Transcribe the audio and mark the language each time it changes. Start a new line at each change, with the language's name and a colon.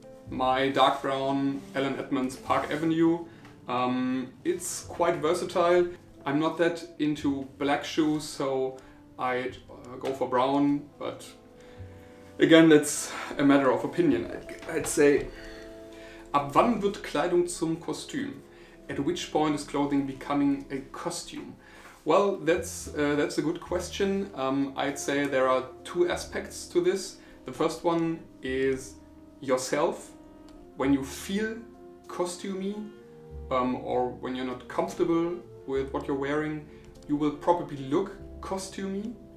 English: My dark brown Allen Edmonds Park Avenue. It's quite versatile. I'm not that into black shoes, so I'd go for brown, but again, that's a matter of opinion. I'd say,
German: ab wann wird Kleidung zum Kostüm?
English: At which point is clothing becoming a costume? Well, that's a good question. I'd say there are two aspects to this. The first one is yourself. When you feel costumey, or when you're not comfortable with what you're wearing, you will probably look costumey.